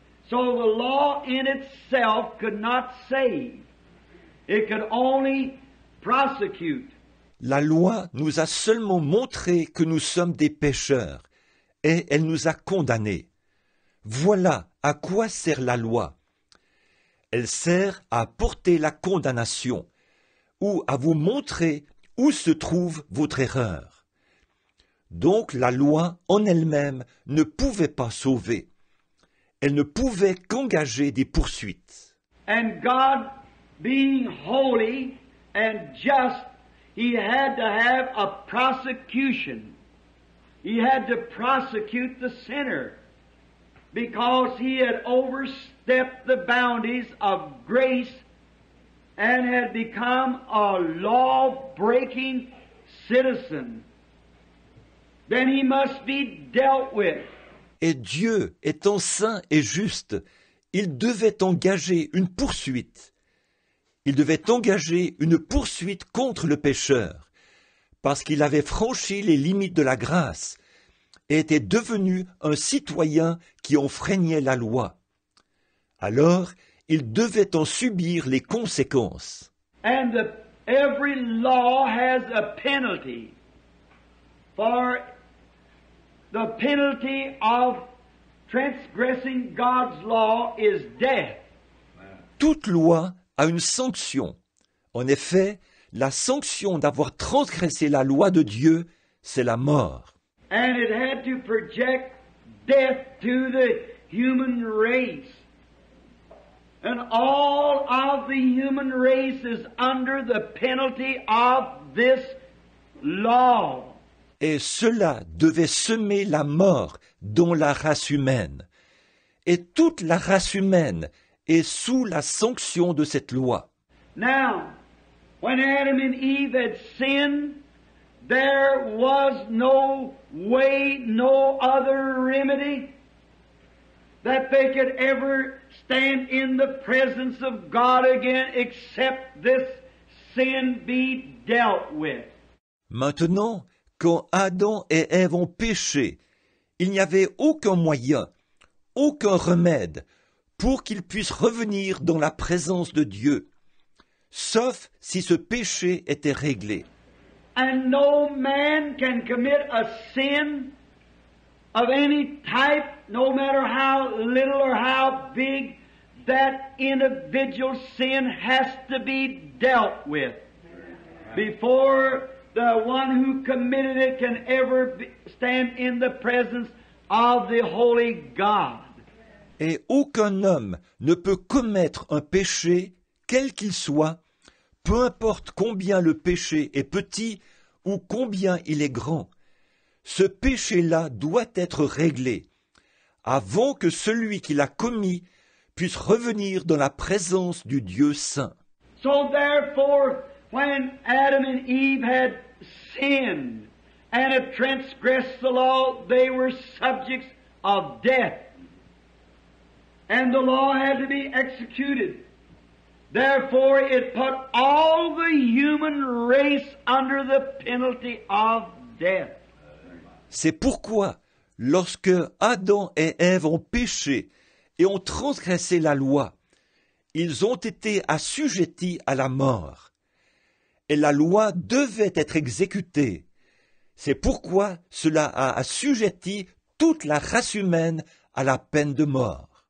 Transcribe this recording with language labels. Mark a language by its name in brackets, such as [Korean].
[English] So the law in itself could not save. It could only prosecute. [French] La loi nous a seulement montré que nous sommes des pécheurs et elle nous a condamnés. Voilà à quoi sert la loi. Elle sert à porter la condamnation ou à vous montrer où se trouve votre erreur. Donc la loi en elle-même ne pouvait pas sauver. Elle ne pouvait qu'engager des poursuites. [English] And God being holy and just, He had to have a prosecution. He had to prosecute the sinner because he had overstepped the boundaries of grace and had become a law-breaking citizen. Then he must be dealt with. [French] Et Dieu étant saint et juste, il devait engager une poursuite. Il devait engager une poursuite contre le pécheur, parce qu'il avait franchi les limites de la grâce et était devenu un citoyen qui enfreignait la loi. Alors, il devait en subir les conséquences. [English] And every law has a penalty, for the penalty of transgressing God's law is death. [French] Toute loi à une sanction. En effet, la sanction d'avoir transgressé la loi de Dieu, c'est la mort. [English] And it had to project death to the human race. And all of the human race is under the penalty of this law. [French] Et cela devait semer la mort dans la race humaine. Et toute la race humaine et sous la sanction de cette loi. [English] Now, when Adam and Eve had sinned, there was no way, no other remedy that they could ever stand in the presence of God again except this sin be dealt with. [French] Maintenant, quand Adam et Ève ont péché, il n'y avait aucun moyen, aucun remède pour qu'ils puissent revenir dans la présence de Dieu, sauf si ce péché était réglé. [English] And no man can commit a sin of any type, no matter how little or how big, that individual sin has to be dealt with before the one who committed it can ever stand in the presence of the Holy God. [French] Et aucun homme ne peut commettre un péché, quel qu'il soit, peu importe combien le péché est petit ou combien il est grand. Ce péché-là doit être réglé, avant que celui qui l'a commis puisse revenir dans la présence du Dieu saint. [English] So therefore, when Adam and Eve had sinned and had transgressed the law, they were subjects of death. And the law had to be executed. Therefore, it put all the human race under the penalty of death. [French] C'est pourquoi, lorsque Adam et Ève ont péché et ont transgressé la loi, ils ont été assujettis à la mort. Et la loi devait être exécutée. C'est pourquoi cela a assujetti toute la race humaine à la peine de mort.